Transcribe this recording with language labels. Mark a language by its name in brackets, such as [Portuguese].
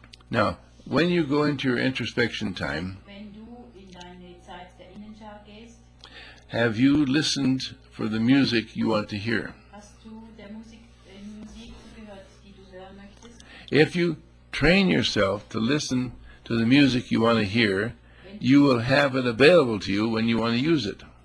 [English] Now, when you go into your introspection time, [German] wenn du in deine Zeit der Innenschau gehst, [English] have you listened for the music you want to hear? [German] Hast du der Musik, zugehört, die du hören möchtest? [English] If you train yourself to listen to the music you want to hear, you will have it available to you when you want to use it.